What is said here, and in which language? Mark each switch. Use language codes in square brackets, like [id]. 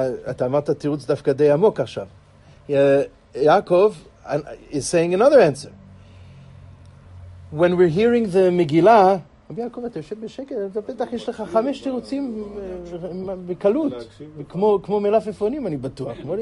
[he] אתה אמרת תירוץ דווקא די עמוק עכשיו. [en] יעקב is saying another answer. When we're hearing the Megillah, [he] רבי יעקב, אתה יושב בשקט, אתה בטח יש לך חמש תירוצים בקלות, כמו מלפפונים, אני בטוח.